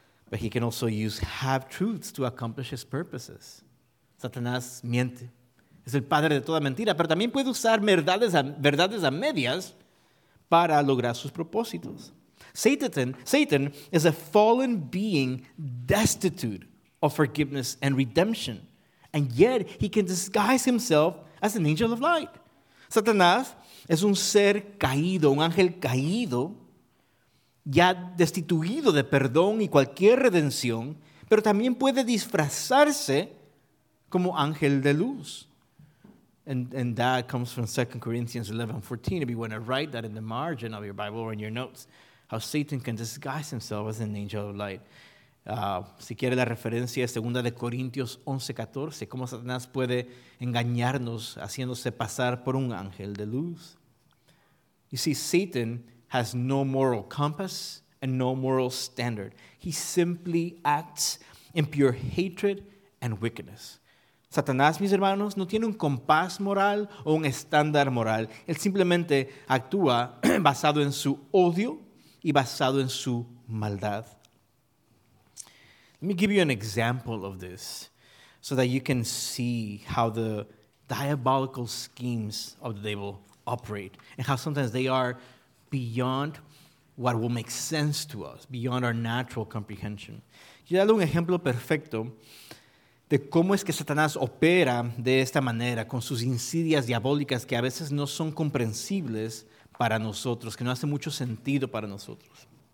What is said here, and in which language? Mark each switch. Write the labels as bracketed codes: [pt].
[en] But he can also use half-truths to accomplish his purposes. [es] Satanás miente. Es el padre de toda mentira, pero también puede usar verdades a medias para lograr sus propósitos. [en] Satan is a fallen being destitute of forgiveness and redemption, and yet he can disguise himself as an angel of light. [es] Satanás es un ser caído, un ángel caído, ya destituido de perdón y cualquier redención, pero también puede disfrazarse como ángel de luz. [en] And that comes from 2 Corinthians 11:14. If you want to write that in the margin of your Bible or in your notes, how Satan can disguise himself as an angel of light. [es] Si quiere la referencia, 2 Corintios 11:14, cómo Satanás puede engañarnos haciéndose pasar por un ángel de luz. [en] You see, Satan has no moral compass and no moral standard. He simply acts in pure hatred and wickedness. [es] Satanás, mis hermanos, no tiene un compás moral o un estándar moral. Él simplemente actúa basado en su odio y basado en su maldad. [en] Let me give you an example of this so that you can see how the diabolical schemes of the devil operate and how sometimes they are beyond what will make sense to us, beyond our natural comprehension. [es] Yo daré un ejemplo perfecto de cómo es que Satanás opera de esta manera, con sus insidias diabólicas que a veces no son comprensibles para nosotros, que no hace mucho sentido para nosotros.